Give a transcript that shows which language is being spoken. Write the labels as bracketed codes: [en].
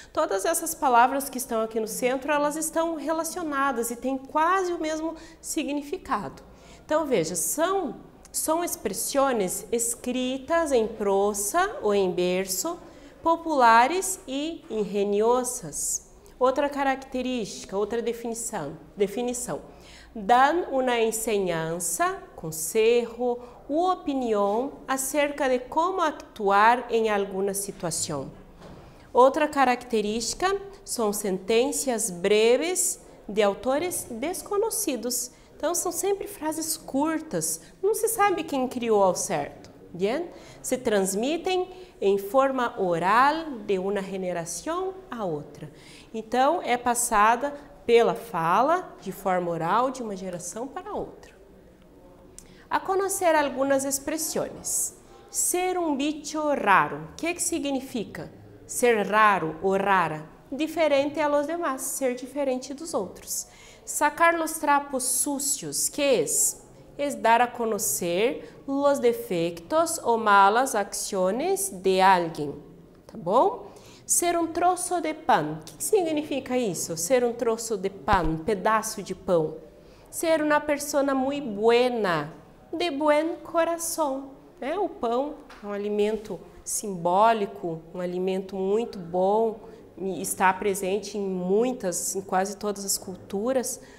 [pt] Todas essas palavras que estão aqui no centro, elas estão relacionadas e têm quase o mesmo significado. Então, veja, são expressões escritas em prosa ou em verso, populares e ingeniosas. Outra característica, outra definição. [es] Dan una enseñanza, consejo u opinión acerca de cómo actuar en alguna situación. [pt] Outra característica são sentenças breves de autores [es] desconocidos. [pt] Então, são sempre frases curtas, não se sabe quem criou ao certo. Bien? Se transmitem em forma oral de uma geração a outra. Então, é passada pela fala, de forma oral, de uma geração para outra. A conhecer algumas expressões. Ser um bicho raro. O que que significa ser raro ou rara? [es] Diferente a los demás, [pt] ser diferente dos outros. [es] Sacar los trapos sucios. [pt] Que é isso? [es] Es dar a conocer los defectos o malas acciones de alguien, [pt] tá bom? Ser um troço de pan. O que significa isso? Ser um troço de pan, um pedaço de pão. [es] Ser una persona muy buena, de buen corazón, [pt] né? O pão é um alimento simbólico, um alimento muito bom, está presente em quase todas as culturas.